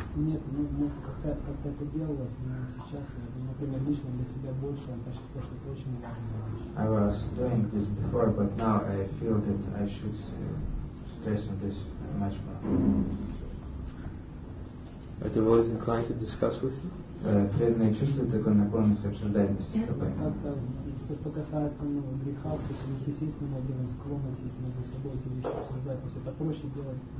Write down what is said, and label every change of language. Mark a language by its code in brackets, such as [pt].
[ru] Нет, ну, как-то это делалось, но сейчас, например, лично для себя больше, я чувствую, что это очень важно. [en] I was doing this before, but now I feel that I should stress on this much more. Are the devotees inclined to discuss with you? [ru] Преданные чувствуют такое наклонность обсуждать вместе с тобой. То, что касается грехаства, если их естественным отделом склонность, если между собой эти вещи обсуждать, то есть это проще делать.